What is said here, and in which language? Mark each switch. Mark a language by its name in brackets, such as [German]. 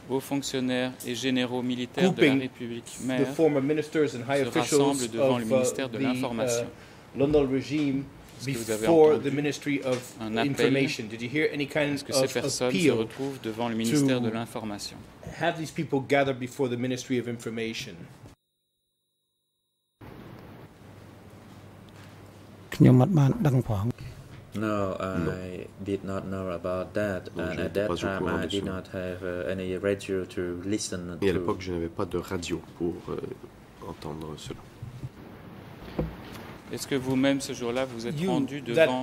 [French] vos fonctionnaires et généraux militaires de la République mère [English] the former ministers and high officials [French] devant le ministère de l'information [English] London regime before the Ministry of Information. Did you hear any kind of appeal? [French] Est-ce que ces personnes se retrouvent devant le ministère de l'information? [English] Have these people gathered before the Ministry of Information? No, I did not know about that. And at that time, I did not have any radio to listen to. [French] Et à l'époque, je n'avais pas de radio pour entendre cela. Est-ce que vous-même ce jour-là vous êtes rendu devant